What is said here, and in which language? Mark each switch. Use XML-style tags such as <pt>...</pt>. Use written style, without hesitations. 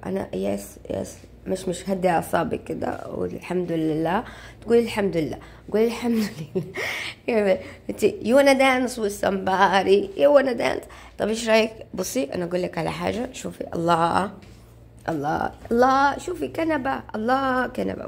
<ar>أنا yes مش هدي أعصابي كده، والحمد لله. تقولي الحمد لله، قولي الحمد لله.</ar> <en>You wanna dance with somebody, you wanna dance.</en> <ar>طب ايش رأيك؟ بصي، أنا أقول لك على حاجة. شوفي، الله الله الله، شوفي كنبة، الله كنبة.</ar>